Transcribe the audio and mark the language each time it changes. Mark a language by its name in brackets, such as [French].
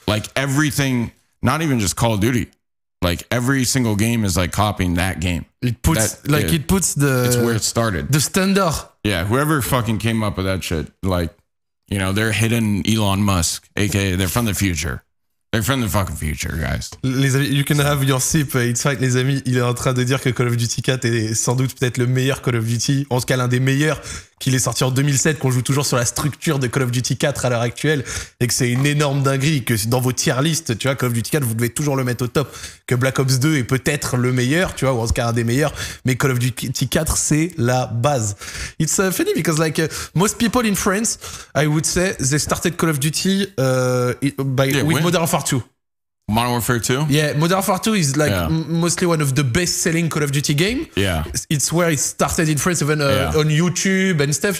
[English] Like everything, not even just Call of Duty, like every single game is like copying that game. It's where it started. The standard. Yeah. Whoever fucking came up with that shit, like, you know, they're hidden Elon Musk, AKA they're from the future. They're from the fucking future, guys. [French] Les amis, [English] you can have your sip. It's fine, [French] les amis. Il est en train de dire que Call of Duty 4 est sans doute peut-être le meilleur Call of Duty. En tout cas, l'un des meilleurs qu'il est sorti en 2007, qu'on joue toujours sur la structure de Call of Duty 4 à l'heure actuelle. Et que c'est une énorme dinguerie. Que dans vos tier list, tu vois, Call of Duty 4, vous devez toujours le mettre au top. Que Black Ops 2 est peut-être le meilleur, tu vois, ou en tout cas un des meilleurs. Mais Call of Duty 4, c'est la base. [English] It's funny because like most people in France, I would say they started Call of Duty by with Modern Warfare 2. Modern Warfare 2? Yeah, Modern Warfare 2 is like mostly one of the best-selling Call of Duty game. Yeah. It's where it started in France, even on YouTube and stuff.